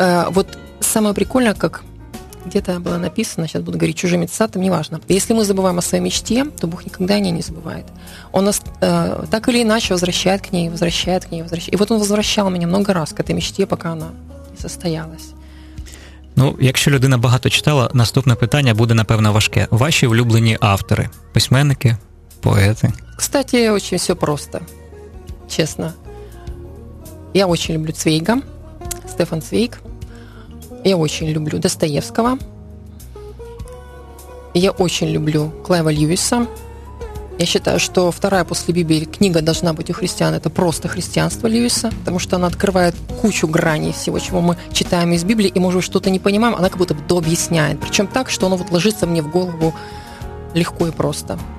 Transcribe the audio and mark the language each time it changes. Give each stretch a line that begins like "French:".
Russian: Вот самое прикольное, как где-то было написано, сейчас буду говорить чужими цитатами, неважно. Если мы забываем о своей мечте, то Бог никогда о ней не забывает. Он нас так или иначе возвращает к ней, возвращает к ней, возвращает. И вот Он возвращал меня много раз к этой мечте, пока она состоялась.
Ukrainian: Ну, якщо людина багато читала, наступне питання буде, напевно, важке. Ваші улюблені автори, письменники, поети?
Russian: Кстати,
Ukrainian: дуже все просто, чесно. Я дуже люблю Цвейга, Стефан Цвейг. Я дуже люблю Достоєвського. Я дуже люблю Клайва Льюіса.
Russian: Я считаю, что вторая после Библии книга должна быть у христиан. Это просто христианство Льюиса, потому что она открывает кучу граней всего, чего мы читаем из Библии, и, может быть, что-то не понимаем, она как будто бы дообъясняет. Причем так, что оно вот ложится мне в голову легко и просто.